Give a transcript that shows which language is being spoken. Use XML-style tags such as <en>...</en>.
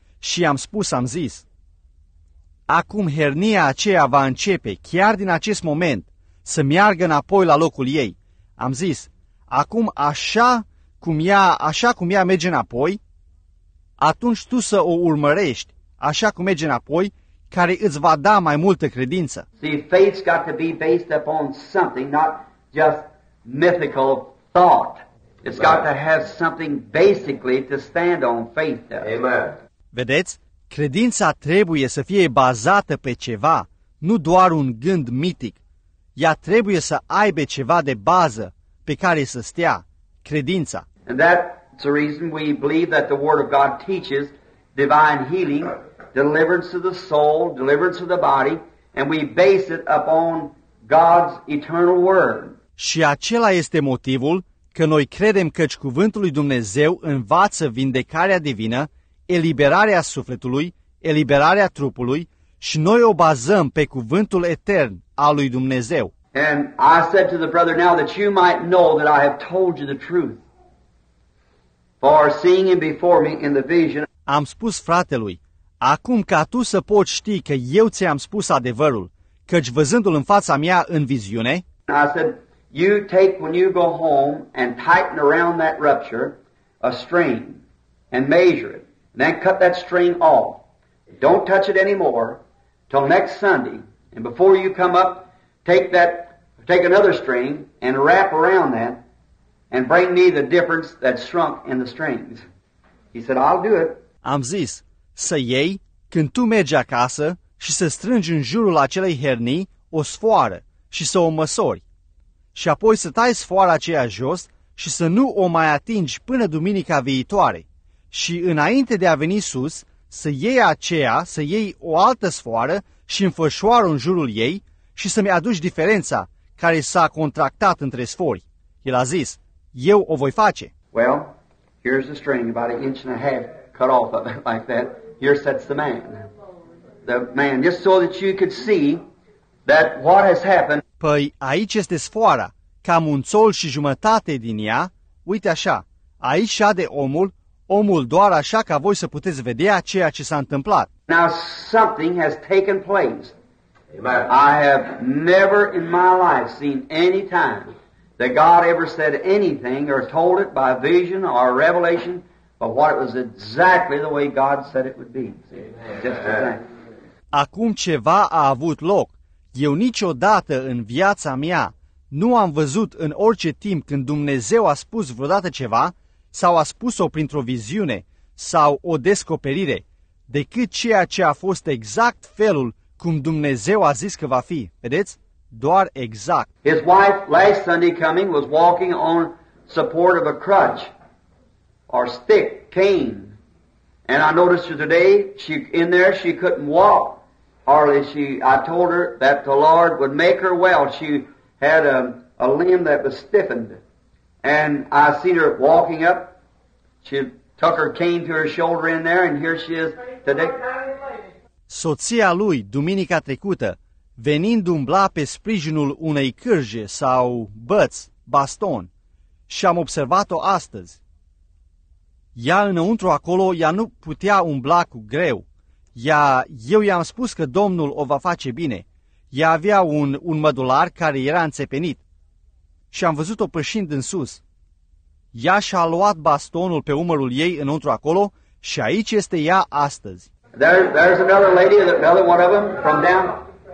<ro>Și am zis, acum hernia aceea va începe, chiar din acest moment, să meargă înapoi la locul ei. Am zis, acum așa cum ea, așa cum ea merge înapoi, atunci tu să o urmărești așa cum merge înapoi, care îți va da mai multă credință.</ro> <en>See, faith's got to be based upon something, not just mythical thought. It's got to have something basically to stand on, faith does. Amen.</en> <ro>Vedeți? Credința trebuie să fie bazată pe ceva, nu doar un gând mitic. Ea trebuie să aibă ceva de bază pe care să stea, credința.</ro> <en>And that's the reason we believe that the Word of God teaches divine healing, deliverance of the soul, deliverance of the body, and we base it upon God's eternal word.</en> <ro>Și acela este motivul că noi credem că cuvântul lui Dumnezeu învață vindecarea divină, eliberarea sufletului, eliberarea trupului și noi o bazăm pe cuvântul etern al lui Dumnezeu.</ro> <en>And I said to the brother now that you might know that I have told you the truth. For seeing him before me in the vision.</en> <ro>Am spus fratelui, acum ca tu să poți ști că eu ți-am spus adevărul, căci văzându-l în fața mea în viziune,</ro> <en>I said, you take when you go home and tighten around that rupture a string and measure it, and then cut that string off. Don't touch it anymore till next Sunday, and before you come up, take another string and wrap around that and bring me the difference that shrunk in the strings. He said, I'll do it.</en> <ro>Am zis, să iei, când tu mergi acasă, și să strângi în jurul acelei hernii o sfoară și să o măsori. Și apoi să tai sfoara aceea jos și să nu o mai atingi până duminica viitoare. Și înainte de a veni sus, să iei aceea, să iei o altă sfoară și înfășoară în jurul ei și să-mi aduci diferența care s-a contractat între sfori. El a zis, eu o voi face.</ro> <en>Well, here's the string, about an inch and a half. Cut off of it like that. Here sits the man. The man, just so that you could see that what has happened.</en> <ro>Păi, aici este sfoara, cam un țol și jumătate din ea. Uite așa, aici șade omul, omul doar așa ca voi să puteți vedea ceea ce s-a întâmplat.</ro> <en>Now something has taken place. Amen. I have never in my life seen any time that God ever said anything or told it by vision or revelation. But what it was exactly the way God said it would be. Just the same.</en> <ro>Acum ceva a avut loc. Eu niciodată în viața mea nu am văzut în orice timp când Dumnezeu a spus vreodată ceva sau a spus-o printr-o viziune sau o descoperire, decât ceea ce a fost exact felul cum Dumnezeu a zis că va fi. Vedeți? Doar exact.</ro> <en>His wife last Sunday coming was walking on support of a crutch. Or stick, cane. And I noticed her today, she in there, she couldn't walk. Hardly she, I told her that the Lord would make her well. She had a limb that was stiffened. And I seen her walking up. She took her cane to her shoulder in there, and here she is today.</en> <ro>Soția lui, duminica trecută, venind umbla pe sprijinul unei cârje sau băț, baston, și am observat-o astăzi. Ea înăuntru acolo, ea nu putea umbla cu greu. Eu i-am spus că Domnul o va face bine. Ea avea un mădular care era înțepenit și am văzut-o pășind în sus. Ea și-a luat bastonul pe umărul ei înăuntru acolo și aici este ea astăzi.</ro> <en>There's another lady, another one of them from down.</en>